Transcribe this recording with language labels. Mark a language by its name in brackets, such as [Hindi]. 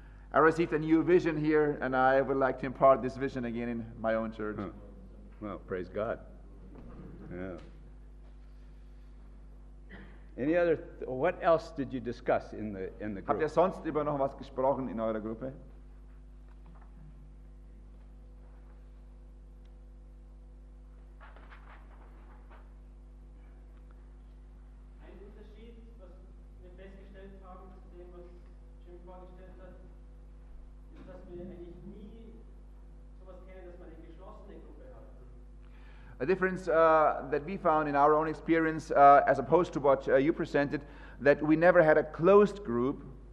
[English] I received a new vision here, and I would like to impart this vision again in my own church. Huh. Well, praise God. Yeah. Any other? What else did you discuss in the group? [German] Habt ihr sonst über noch was gesprochen in eurer Gruppe? Ein Unterschied, was wir festgestellt haben zu dem, was Jim vorgestellt hat, ist, dass wir eigentlich nie sowas kennen, dass man eine geschlossene Gruppe hat. [English] A difference that we found in our own experience, as opposed to what you presented, that we never had a closed group.